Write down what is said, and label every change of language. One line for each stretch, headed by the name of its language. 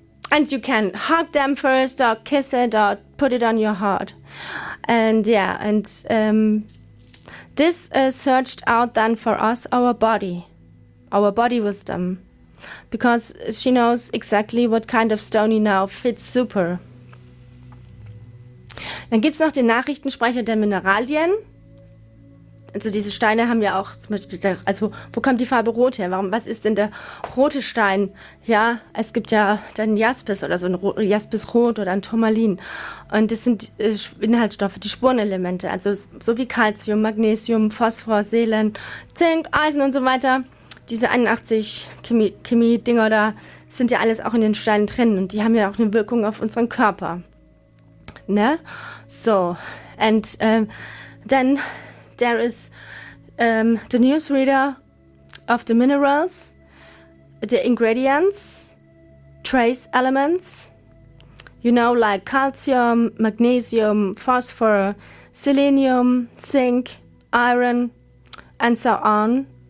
English: And you can hug them first or kiss it or put it on your heart. And yeah, and this searched out then for us our body wisdom, because she knows exactly what kind of stony now fits super.
German: Dann gibt es noch den Nachrichtensprecher der Mineralien. Also diese Steine haben ja auch, also wo kommt die Farbe Rot her? Warum? Was ist denn der rote Stein? Ja, es gibt ja dann Jaspis oder so ein Jaspisrot oder ein Turmalin. Und das sind Inhaltsstoffe, die Spurenelemente. Also so wie Calcium, Magnesium, Phosphor, Selen, Zink, Eisen und so weiter. Diese 81 Chemie-Dinger da sind ja alles auch in den Steinen drin. Und die haben ja auch eine Wirkung auf unseren Körper. Ne?
English: So, and then there is the newsreader of the minerals, the ingredients, trace elements, you know, like calcium, magnesium, phosphor, selenium, zinc, iron, and so on.